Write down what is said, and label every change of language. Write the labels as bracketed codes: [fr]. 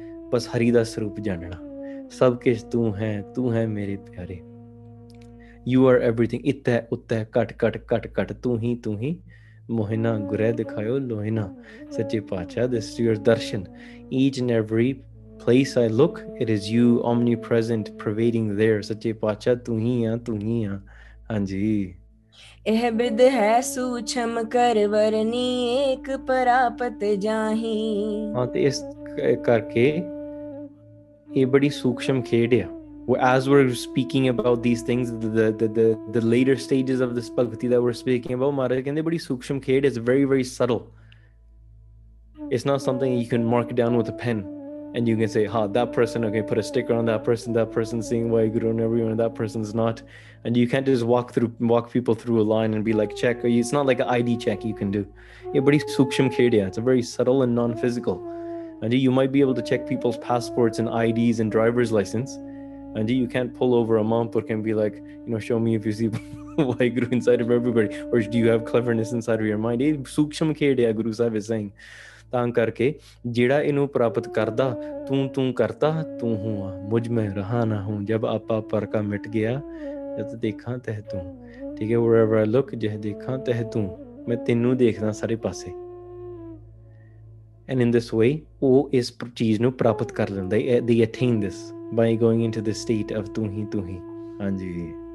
[pa] Bas hari da swarup janna. Sab kish tu hai mere pyare. [en] You are everything. [pa] Itta utta kat kat kat kat. Tu hi mohina gurai dikhayo lohina. [en] Sache paacha, this is your darshan. Each and every place I look, it is you omnipresent pervading there. [pa] Sache paacha, tu hi ha, anji. ਇਹ ਬਿਦ ਹੈ ਸੂਛਮ ਕਰ ਵਰਨੀ ਏਕ ਪ੍ਰਾਪਤ ਜਾਹੀ। ਹਾਂ, ਤੇ ਇਸ ਕਰਕੇ ਇਹ ਬੜੀ ਸੂਖਸ਼ਮ ਖੇਡ ਆ। [en] As we're speaking about these things, the later stages of this bhakti that we're speaking about, [pa] Maharaj kehnde badi sukshm khed, [en] it's very very subtle. It's not something you can mark down with a pen. And you can say, ha, that person, okay, put a sticker on that person. That person's seeing Vaheguru and everyone, that person's not. And you can't just walk people through a line and be like, check. It's not like an ID check you can do. Yeah, but it's suksham kedia. It's a very subtle and non-physical. And you might be able to check people's passports and IDs and driver's license. And you can't pull over a mampur and be like, you know, show me if you see Vaheguru inside of everybody. Or do you have cleverness inside of your mind? Hey, suksham kedia, Guru Sahib is saying. [pa] ਤਾਂ ਕਰਕੇ ਜਿਹੜਾ ਇਹਨੂੰ ਪ੍ਰਾਪਤ ਕਰਦਾ ਤੂੰ ਤੂੰ ਕਰਤਾ ਤੂੰ ਹੂੰ ਆ ਮੁਝ ਮੈਂ ਰਹਾ ਨਾ ਹੂੰ ਜਬ ਆਪਾ ਪਰਕਾ ਮਿਟ ਗਿਆ ਜਦ ਦੇਖਾਂ ਤਹਿ ਤੂੰ ਠੀਕ ਹੈ [en] where I look [pa] ਜਿਹ ਦੇਖਾਂ ਤਹਿ ਤੂੰ ਮੈਂ ਤੈਨੂੰ ਦੇਖਦਾ ਸਾਰੇ ਪਾਸੇ [en] and in this way [pa] ਉਹ ਇਸ ਚੀਜ਼ ਨੂੰ ਪ੍ਰਾਪਤ ਕਰ ਲੈਂਦਾ [en] ਦੀ attain this by going into the state of [pa] ਤੂੰ ਹੀ ਤੂੰ ਹੀ ਹਾਂਜੀ